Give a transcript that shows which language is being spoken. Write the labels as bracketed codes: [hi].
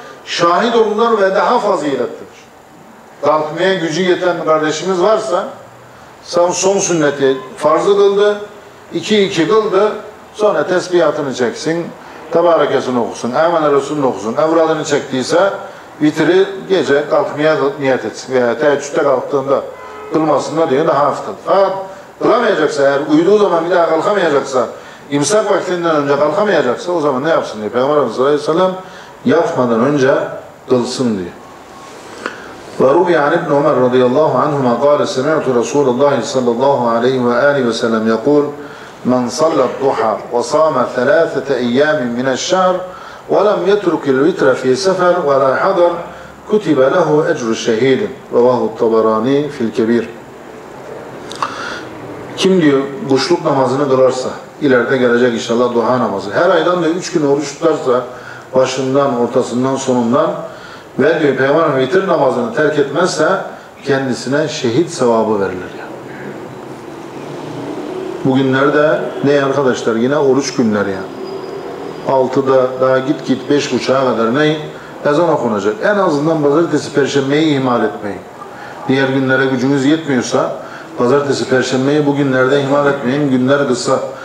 [tr] şahit olunur ve daha fazilettir. Kalkmaya gücü yeten kardeşimiz varsa, sen son sünneti farzı kıldı, iki kıldı, sonra tesbihatını çeksin, tebarekesini okusun, Emen Resulü'nü okusun, evradını çektiyse vitri gece kalkmaya niyet etsin veya teheccüde kalktığında kılmasında diye daha hafızdır. Fakat kılamayacaksa, eğer uyuduğu zaman bir daha kalkamayacaksa, imsak vaktinden önce kalkamayacaksa, o zaman ne yapsın diye Peygamberimiz Aleyhisselam yatmadan önce kılsın diye. [ar] وَرُوِيَ عَنِ ابْنِ عُمَرَ رَضِيَ اللّٰهُ عَنْهُمَا قَالَ سَمِعْتُ رَسُولَ اللّٰهِ صَلَّى اللّٰهُ عَلَيْهِ وَآلِهِ وَسَلَّمْ يَقُولُ مَنْ صَلَّ الضُّحَى وَصَامَ ثَلَاثَةَ اَيَّامٍ مِنَ الشَّهْرِ وَلَمْ يَتْرُكِ الْوِتْرَ فِي سَفَرٍ وَلَا حَضَرٍ كُتِبَ لَهُ اَجْرُ شَهِيدٍ رَوَاهُ الطَّبَرَانِي فِي الْكَبِيرِ [tr] Kim diyor, kuşluk namazını kılarsa, ileride gelecek inşallah duha namazı, her aydan da 3 gün oruç tutarsa, başından, ortasından, sonundan, ve diyor Peygamber'in vitir namazını terk etmezse kendisine şehit sevabı verilir yani. Bugünlerde ne arkadaşlar, yine oruç günleri yani. 6'da daha git git 5.30'a kadar ne? Ezan okunacak. En azından pazartesi perşembeyi ihmal etmeyin. Diğer günlere gücünüz yetmiyorsa pazartesi perşembeyi bugünlerde ihmal etmeyin. Günler kısa.